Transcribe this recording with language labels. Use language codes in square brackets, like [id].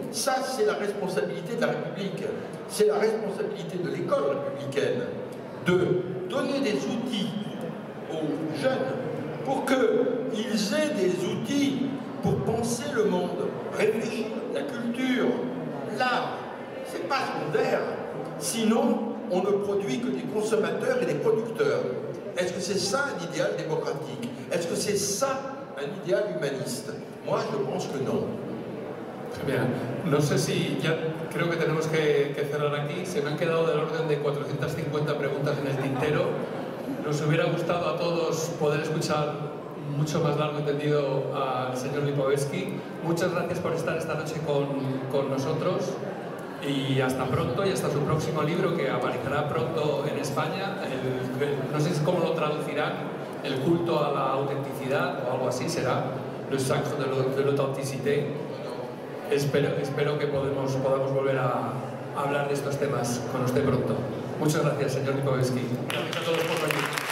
[fr] Ça, c'est la responsabilité de la République. C'est la responsabilité de l'école républicaine de donner des outils aux jeunes pour qu'ils aient des outils pour penser le monde, réfléchir la culture, l'art. C'est pas secondaire. Sinon, on ne produit que des consommateurs et des producteurs. Est-ce que c'est ça un idéal démocratique ? Est-ce que c'est ça un idéal humaniste ? Moi, je pense que non. Très bien. [es] No sé si ya creo que tenemos que cerrar aquí. Se me han quedado del orden de 450 preguntas en el tintero. Nos hubiera gustado a todos poder escuchar mucho más largo y tendido al señor Lipovetsky. Muchas gracias por estar esta noche con nosotros. Y hasta pronto, y hasta su próximo libro, que aparecerá pronto en España. No sé cómo lo traducirán, el culto a la autenticidad o algo así será. [fr] Le sacre de l'authenticité. [es] Espero que podamos volver a hablar de estos temas con usted pronto. Muchas gracias, señor Lipovetsky. Gracias a todos por venir.